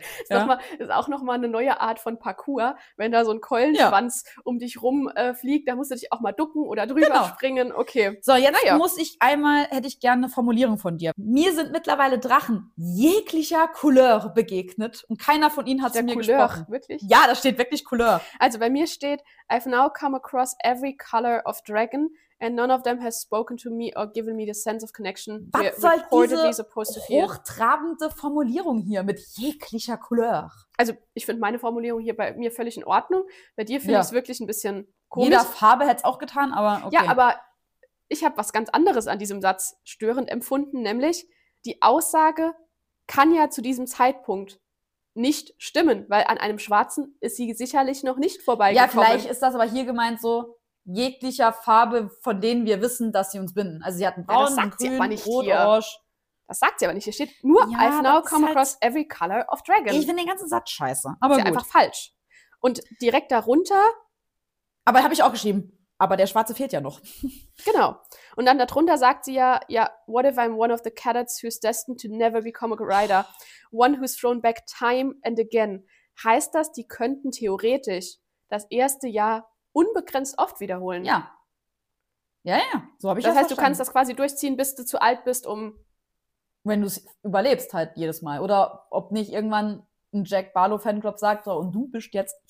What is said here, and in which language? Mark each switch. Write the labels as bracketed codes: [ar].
[de] Ist, ist auch nochmal eine neue Art von Parkour. Wenn da so ein Keulenschwanz um dich rum fliegt, dann musst du dich auch mal ducken oder drüber springen. Okay. So, jetzt hätte ich gerne eine Formulierung von dir. Mir sind mittlerweile Drachen jeglicher Couleur begegnet und keiner von ihnen hat zu mir Couleur, gesprochen. Wirklich? Ja, da steht wirklich Couleur. Also bei mir steht, [en] I've now come across every color of dragon and none of them has spoken to me or given me the sense of connection. [de] Was soll diese hochtrabende Formulierung hier mit jeglicher Couleur? Also ich finde meine Formulierung hier bei mir völlig in Ordnung. Bei dir finde ich es wirklich ein bisschen komisch. Jeder Farbe hätte es auch getan, aber okay. Ja, aber ich habe was ganz anderes an diesem Satz störend empfunden, nämlich die Aussage kann ja zu diesem Zeitpunkt nicht stimmen, weil an einem Schwarzen ist sie sicherlich noch nicht vorbeigekommen. Ja, vielleicht ist das aber hier gemeint so, jeglicher Farbe, von denen wir wissen, dass sie uns binden. Also sie hatten braun, grün, rot, orange. Das sagt sie aber nicht. Hier steht nur, [en] I've now come across every color of dragon. [de] Ich finde den ganzen Satz scheiße. Aber ist einfach falsch. Und direkt darunter. Aber habe ich auch geschrieben. Aber der Schwarze fehlt ja noch. Genau. Und dann darunter sagt sie ja, [en] what if I'm one of the cadets who's destined to never become a rider? One who's thrown back time and again. [de] Heißt das, die könnten theoretisch das erste Jahr unbegrenzt oft wiederholen. Ja. Ja, ja. So habe ich das heißt, du kannst das quasi durchziehen, bis du zu alt bist, um... Wenn du es überlebst halt jedes Mal. Oder ob nicht irgendwann ein Jack Barlow-Fanclub sagt, so, und du bist jetzt...